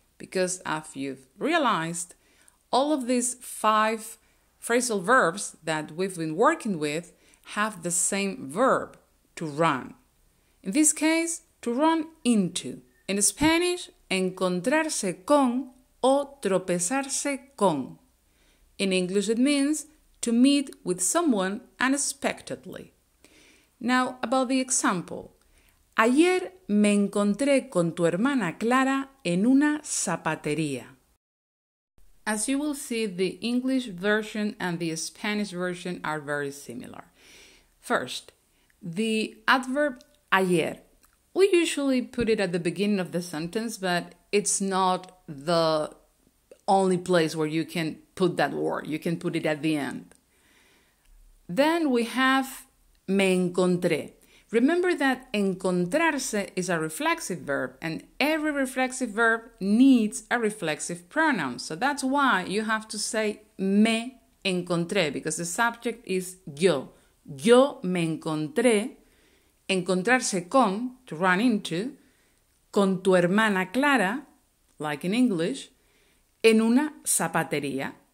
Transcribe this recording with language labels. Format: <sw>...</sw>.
<en>Because as you've realized, all of these five phrasal verbs that we've been working with have the same verb, to run. In this case, to run into. In Spanish,</en> <es>encontrarse con o tropezarse con.</es> <en>In English, it means to meet with someone unexpectedly. Now, about the example.</en> <es>Ayer me encontré con tu hermana Clara en una zapatería.</es> <en>As you will see, the English version and the Spanish version are very similar. First, the adverb ayer. We usually put it at the beginning of the sentence, but it's not the only place where you can put that word. You can put it at the end. Then we have</en> <es>me encontré.</es> <en>Remember that encontrarse is a reflexive verb, and every reflexive verb needs a reflexive pronoun. So that's why you have to say</en> <es>me encontré,</es> <en>because the subject is yo.</en> <es>Yo me encontré, encontrarse con,</es> <en>to run into,</en> <es>con tu hermana Clara,</es> <en>like in English,</en> <es>en una zapatería.</es>